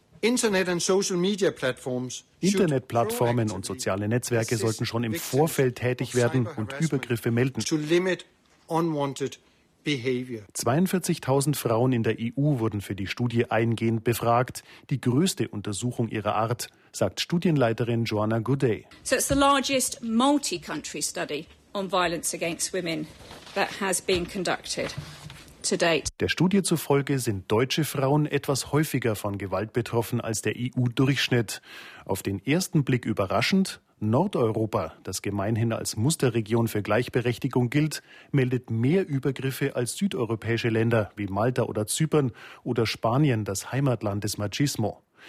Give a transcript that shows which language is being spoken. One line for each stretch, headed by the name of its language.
German: Internetplattformen und soziale Netzwerke sollten schon im Vorfeld tätig werden und Übergriffe melden.
English: To limit unwanted behavior.
German: 42.000 Frauen in der EU wurden für die Studie eingehend befragt. Die größte Untersuchung ihrer Art, sagt Studienleiterin Joanna Goodday.
English: So it's the largest multi-country study on violence against women that has been conducted.
German: Der Studie zufolge sind deutsche Frauen etwas häufiger von Gewalt betroffen als der EU-Durchschnitt. Auf den ersten Blick überraschend, Nordeuropa, das gemeinhin als Musterregion für Gleichberechtigung gilt, meldet mehr Übergriffe als südeuropäische Länder wie Malta oder Zypern oder Spanien, das Heimatland des Machismo.